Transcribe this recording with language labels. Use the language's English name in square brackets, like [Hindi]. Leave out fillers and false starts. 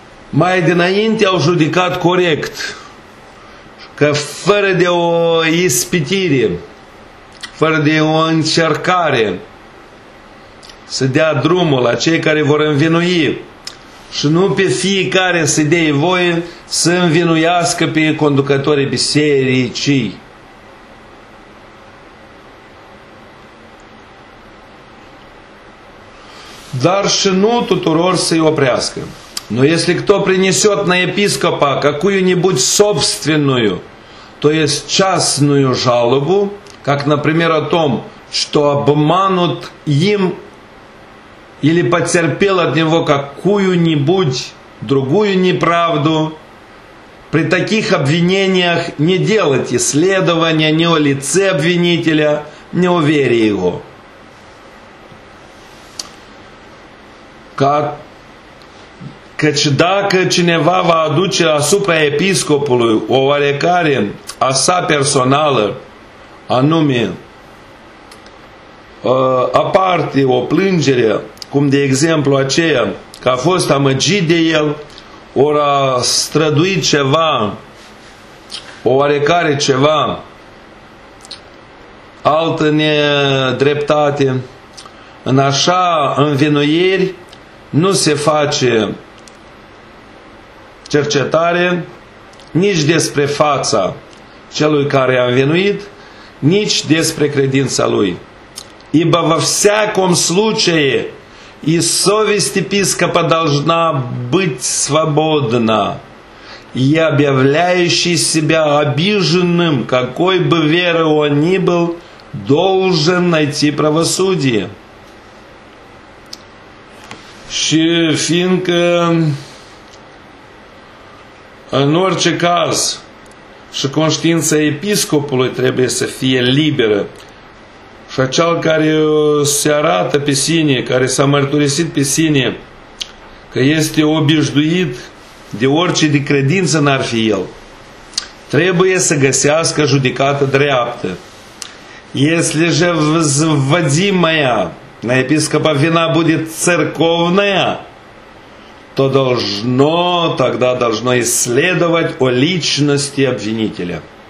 [Romanian] mai dinainte au judecat corect că fără de o ispitire, fără de o încercare să dea drumul la cei care vor învinui și nu pe fiecare să dea voie să învinuiască pe conducătorii bisericii. Dar și nu tuturor să-i oprească. [Russian] Но если кто принесет на епископа какую-нибудь собственную, то есть частную жалобу, как, например, о том, что обманут им или потерпел от него какую-нибудь другую неправду, при таких обвинениях не делать исследования ни о лице обвинителя, ни о вере его. [Romanian] Căci dacă cineva va aduce asupra episcopului o oarecare a sa personală, anume, aparte o plângere, cum de exemplu aceea, că a fost amăgit de el, ori a străduit ceva, o oarecare ceva, altă nedreptate, în așa învinuiri, nu se face cercetare nici despre fața celui care a învinuit, nici despre credința lui. [Russian] Ибо во всяком случае и совесть епископа должна быть свободна, и объявляющий себя обиженным, какой бы веры он ни был, должен найти правосудие. [Romanian] Și fiindcă în orice caz și conștiința episcopului trebuie să fie liberă și acel care se arată pe sine, care s-a mărturisit pe sine că este obișnuit de orice de credință n-ar fi el, trebuie să găsească judecată dreaptă. [Russian] Если же взводимая на епископа вина будет церковная, то должно, тогда должно исследовать о личности обвинителя.